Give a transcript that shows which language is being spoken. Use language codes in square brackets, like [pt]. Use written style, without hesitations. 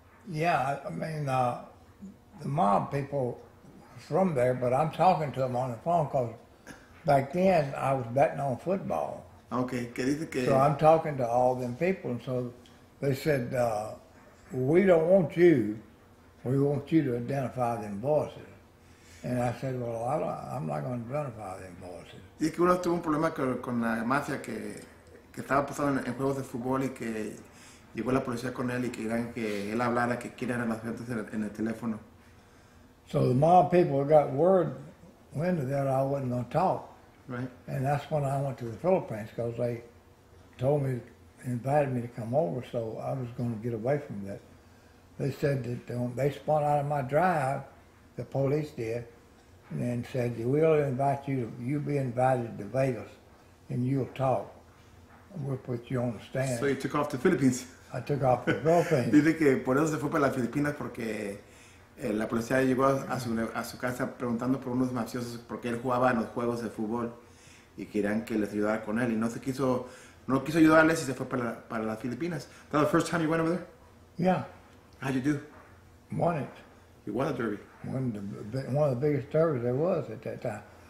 [en] Yeah, I mean, the mob people from there, but I'm talking to them on the phone because back then I was betting on football. [es] Okay, que dice que... [en] So I'm talking to all them people, and so they said, we don't want you, we want you to identify them voices. And I said, well, I'm not going to identify them voices. [es] Dice que uno tuvo un problema con la mafia que estaba pasando en juegos de fútbol y que llegó la policía con él y querían que él hablara, que quieran las gentes en el teléfono. [en] So the mob people got word wind of that I wasn't going to talk. Right. And that's when I went to the Philippines, because they told me, invited me to come over, so I was going to get away from that. They said that they spun out of my drive, the police did, and then said, we'll invite you, you'll be invited to Vegas, and you'll talk. We'll put you on the stand. So you took off to the Philippines? I took off to the Philippines. [es] Dice que por eso se fue para las Filipinas, porque la policía llegó a su casa preguntando por unos mafiosos porque él jugaba en los juegos de fútbol y querían que les ayudara con él y no quiso ayudarles y se fue para las Filipinas. [en] That the first time you went over there? Yeah. How'd you do? Won it. You won the derby. One of the biggest derbies there was at that time.